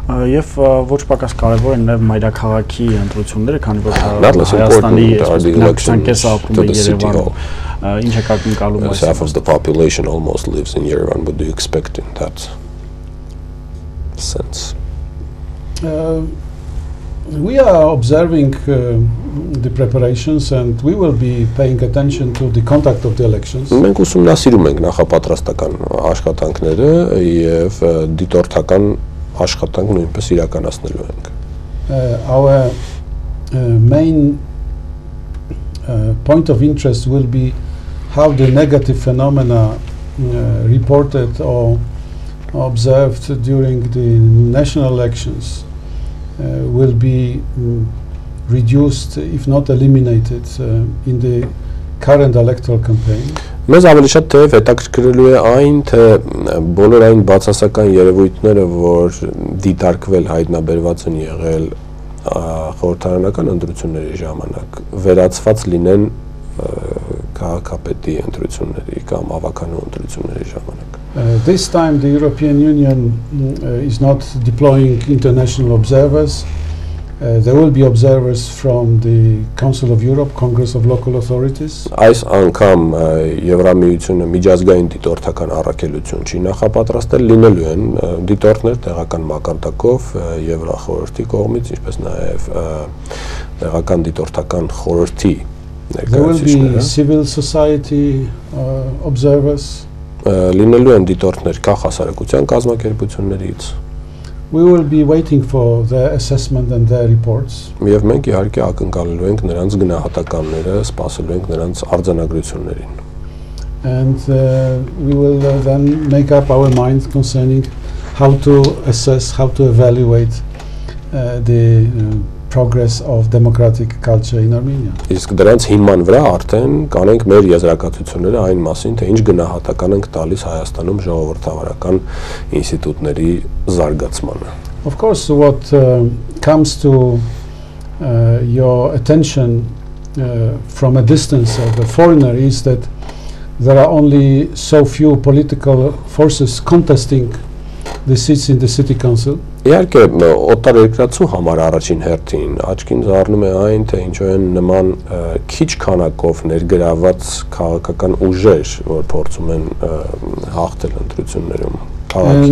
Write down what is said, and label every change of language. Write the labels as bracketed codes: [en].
[hy] Եվ ոչ պակաս կարևոր են նաև մայրաքաղաքի ընտրությունները, քանի որ Հայաստանի ընտրական կեսը ապրում է Երևանում։ Ինչ հակակն կալում [en] է։ Half of the population almost lives in Yerevan, what do you expect in that sense? We are observing the preparations and we will be paying attention to the conduct of the elections. [hy] Մենք ուսումնասիրում ենք նախապատրաստական աշխատանքները եւ դիտորդական աշխատանք նույնպես իրականացնելու ենք։ [en] Our main point of interest will be how the negative phenomena reported or observed during the national elections will be reduced, if not eliminated, in the current electoral campaign. [hy] Մեզ ավելի շատ թեև հետաքրքրելու է այն, թե բոլոր այն բացասական երևույթները, որ դիտարկվել հայտնաբերված են եղել խորհրդարանական ընտրությունների ժամանակ, վերացված լինեն քաղաքապետի ընտրությունների կամ ավականո ընտրությունների ժամանակ։ [en] This time the European Union is not deploying international observers. There will be observers from the Council of Europe, Congress of Local Authorities. [hy] Այս անգամ Եվրամիությունը միջազգային դիտորդական առաքելություն չի նախապատրաստել, լինելու են դիտորդներ տեղական մակարդակով Եվրախորհրդի կողմից, ինչպես նաև տեղական դիտորդական խորհրդի ներկայացուցիչները. [en] There will be civil society observers. [hy] Լինելու են դիտորդներ կախ հասարակության կազմակերպություններից. [en] We will be waiting for the assessment and their reports. [hy] Եվ մենք իհարկե ակնկալելու ենք նրանց գնահատականները, սպասելու ենք նրանց արձանագրություններին. [en] And we will then make up our minds concerning how to assess, how to evaluate the progress of democratic culture in Armenia. [hy] Իսկ դրանց հիման վրա արդեն կանենք մեր եզրակացությունները այն մասին, թե ինչ գնահատական ենք տալիս Հայաստանում ժողովրդավարական ինստիտուտների զարգացմանը. [en] Of course, what comes to your attention from a distance of a foreigner is that there are only so few political forces contesting the seats in the city council. [hy] Իհարկե, օտարերկրացու համար առաջին հերթին աչքին զառնում է այն, թե ինչու են նման քիչ քանակով ներգրաված քաղաքական ուժեր, որ փորձում են հաղթել ընտրություններում քաղաքի։